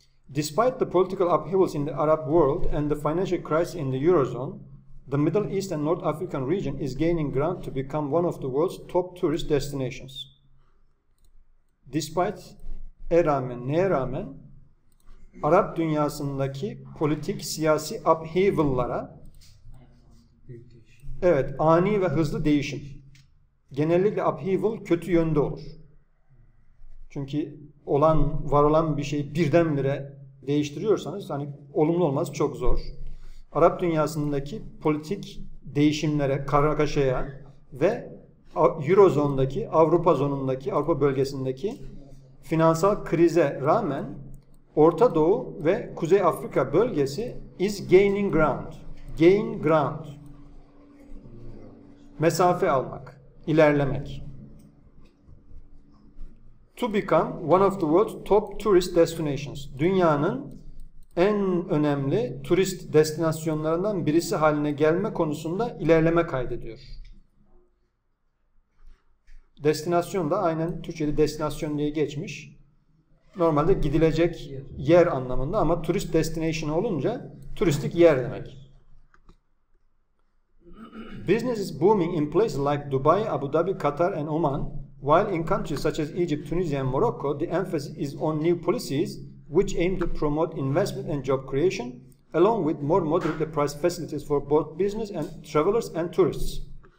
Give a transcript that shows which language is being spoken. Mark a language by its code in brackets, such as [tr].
[en] Despite the political upheavals in the Arab world and the financial crisis in the Eurozone, the Middle East and North African region is gaining ground to become one of the world's top tourist destinations. [tr] Despite, neye rağmen, Arap dünyasındaki politik, siyasi upheavallara, evet, ani ve hızlı değişim. Genellikle upheaval kötü yönde olur. Çünkü olan, var olan bir şeyi birdenbire değiştiriyorsanız, hani olumlu olmaz, çok zor. Arap dünyasındaki politik değişimlere, kargaşaya ve Eurozondaki, Avrupa zonundaki, Avrupa bölgesindeki finansal krize rağmen Orta Doğu ve Kuzey Afrika bölgesi [en] is gaining ground. Gain ground. [tr] Mesafe almak, ilerlemek. [en] To become one of the world's top tourist destinations. [tr] Dünyanın en önemli turist destinasyonlarından birisi haline gelme konusunda ilerleme kaydediyor. Destinasyon da aynen Türkçe'de destinasyon diye geçmiş. Normalde gidilecek yer anlamında ama turist destination olunca turistik yer demek. [en] Business is booming in places like Dubai, Abu Dhabi, Qatar and Oman, while in countries such as Egypt, Tunisia and Morocco, the emphasis is on new policies which aim to promote investment and job creation, along with more moderate price facilities for both business and travelers and tourists.